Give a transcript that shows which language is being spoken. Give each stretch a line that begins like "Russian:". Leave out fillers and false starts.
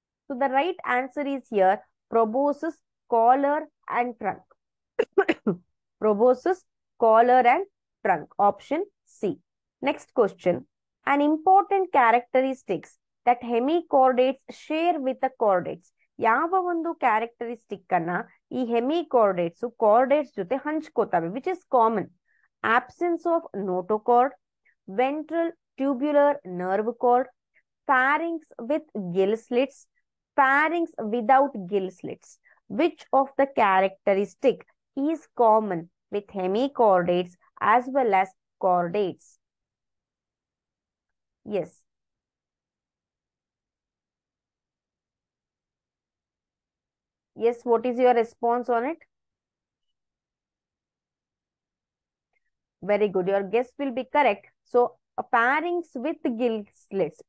English: So the right answer is here, proboscis, collar, and trunk. Proboscis, collar, and trunk. Option C. Next question. An important characteristics that hemichordates share with the chordates.
Kannada: ಯಾವ ಒಂದು characteristic ಅನ್ನ ಈ hemi chordates chordates ಜೊತೆ ಹಂಚ್ಕೋತವೆ,
English: Which is common? Absence of notochord, ventral tubular nerve cord, pharynx with gill slits, pharynx without gill slits. Which of the characteristic is common with hemichordates as well as chordates? Yes, yes, what is your response on it? Very good. Your guess will be correct. So, pharynx with gill slits.